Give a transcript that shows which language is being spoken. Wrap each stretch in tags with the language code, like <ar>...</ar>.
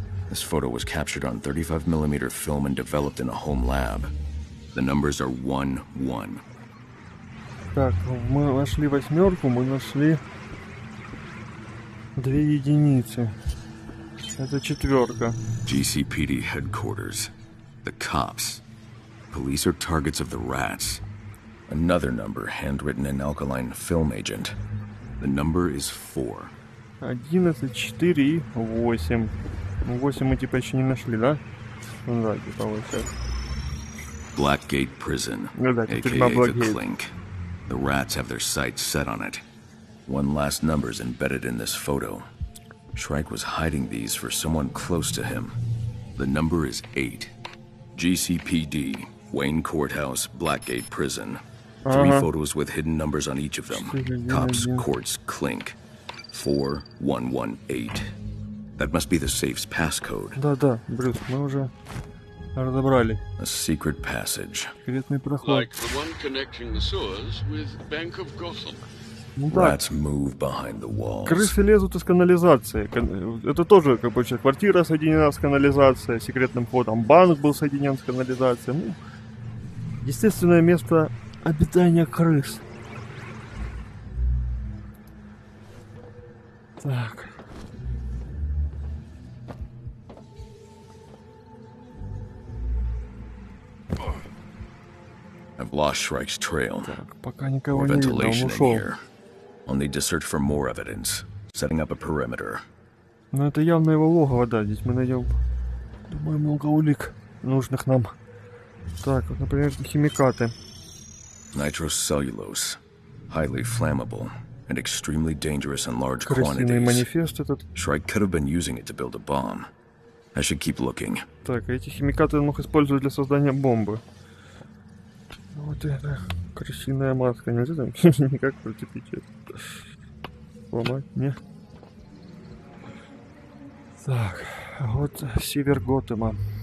<en>This photo was captured on 35mm film and developed in a home lab. The numbers are 1-1.</en> <ru>Так, мы нашли восьмерку, мы нашли 2 единицы. Это четверка.</ru> <en>GCPD headquarters. The cops. Police are targets of the rats. Another number handwritten in alkaline film agent. The number is 4.</en> <ru>11-4-8. 8 мы типа еще не нашли, да? Ну да, типа 8.</ru> <en>Blackgate Prison.</en> <ru>Ну да, теперь</ru> <en>по Blackgate. The clink. The rats have their sights set on it. One last number is embedded in this photo. Shrike was hiding these for someone close to him. The number is 8. GCPD, Wayne Courthouse, Blackgate Prison. Three photos with hidden numbers on each of them. Cops, courts, clink. 4-1-1-8. That must be the safe's passcode.</en> <ru>Да-да, Брюс, мы уже разобрали.</ru> <en>A secret passage.</en> <ru>Секретный проход.</ru> <en>Like the one connecting the sewers with Bank of Gotham. Rats move behind the walls.</en> <ru>Крысы лезут из канализации. Это тоже, как бы, квартира соединена с канализацией, секретным ходом. Банк был соединен с канализацией. Ну, естественное место обитания крыс. Так.</ru> <en>I've lost Shrike's trail.</en> <ru>Так, пока никого не видно, он ушел.</ru> <en>I'll need to search for more evidence. Setting up a perimeter.</en> <ru>Ну это явно его логово, да, здесь мы найдем, думаю, много улик нужных нам. Так, вот, например, химикаты.</ru> <en>Nitrocellulose. Highly flammable and extremely dangerous in large</en> <ru>крысиный</ru> <en>quantities.</en> <ru>Крысиный манифест этот.</ru> <en>Shrike could have been using it to build a bomb. I should keep looking.</en> <ru>Так, эти химикаты он мог использовать для создания бомбы. Вот это. Крысиная маска. Нельзя там никак протепить ее. Ломать? Не. Так. Вот север Готэма.</ru>